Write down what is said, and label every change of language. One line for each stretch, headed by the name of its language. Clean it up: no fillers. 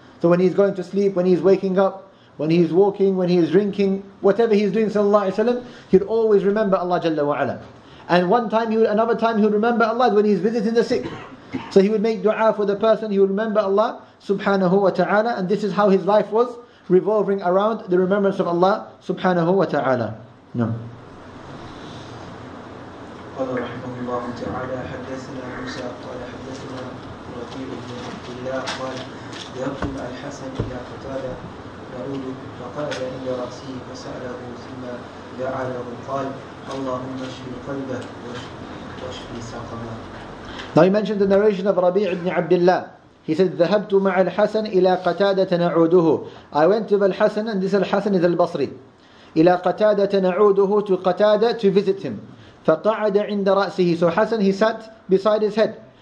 English: So when he's going to sleep, when he's waking up, when he's walking, when he's drinking, whatever he's doing sallallahu alayhi wa sallam, he'll always remember Allah jalla wa ala. And one time, another time he'll remember Allah when he's visiting the sick. So he would make dua for the person, he would remember Allah subhanahu wa ta'ala, and this is how his life was revolving around the remembrance of Allah subhanahu wa ta'ala. No.
Arabic: قال رحمه الله تعالى حدثنا موسى قال حدثنا رفيع بن عبد الله قال ذهبت مع الحسن الى قتاده يعود فقعد عند راسه فساله ثم دعا له قال اللهم اشف قلبه واشف سقمه.
English: Now he mentioned the narration of Rabi' ibn Abdullah. He said,
Arabic: "Zahabtu ma' al-Hasan ila Qatadata na'uduhu."
English: I went to Al-Hasan, and this Al-Hasan is Al-Basri.
Arabic: Ila Qatadata na'uduhu,
English: to Qatada, to visit him.
Arabic: فَقَعَدَ عِنْدَ رَأْسِهِ.
English: So Hasan, he sat beside his head.